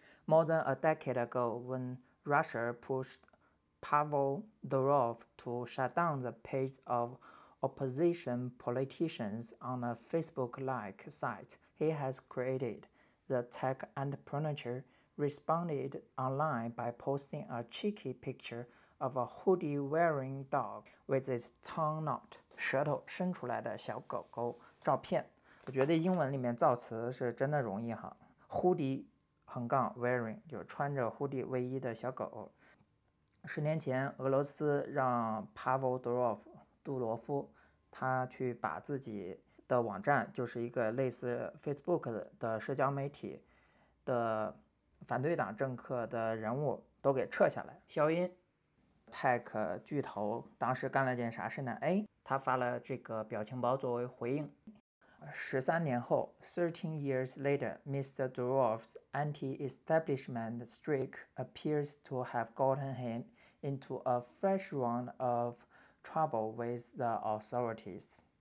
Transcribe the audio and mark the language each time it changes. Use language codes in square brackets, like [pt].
[en] More than a decade ago, when Russia pushed Pavel Durov to shut down the page of opposition politicians on a Facebook-like site he has created, The tech entrepreneur responded online by posting a cheeky picture of a hoodie-wearing dog with its tongue out, [zh] 舌头伸出来的小狗狗照片。我觉得英文里面造词是真的容易哈。 Hoodie 横杠 wearing 就是穿着 hoodie 卫衣的小狗。十年前，俄罗斯让 Pavel Durov 杜罗夫，他去把自己的网站，就是一个类似 Facebook 的社交媒体的反对党政客的人物都给撤下来。消音 Tech 巨头当时干了件啥事呢？哎，他发了这个表情包作为回应。 13年后 [en] ,13 years later, Mr. Durov's anti-establishment streak appears to have gotten him into a fresh round of trouble with the authorities.